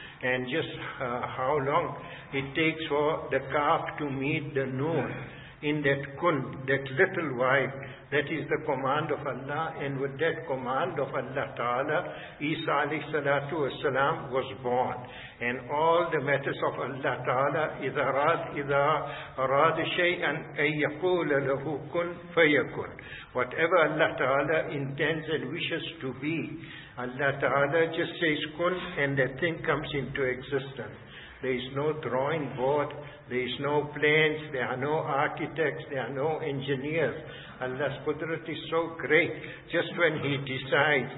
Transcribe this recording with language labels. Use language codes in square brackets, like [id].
[en] And just how long it takes for the Kaf to meet the Noon in that Kun, that little white, that is the command of Allah. And with that command of Allah Ta'ala, Isa alayhi salatu was salam was born. And all the matters of Allah Ta'ala, [ar] إِذَا أَرَادَ شَيْئًا أَن يَقُولَ لَهُ كُنْ فَيَكُنْ. [en] Whatever Allah Ta'ala intends and wishes to be, Allah Ta'ala just says kun, and that thing comes into existence. There is no drawing board, there is no plans, there are no architects, there are no engineers. Allah's Qudrat is so great, just when He decides.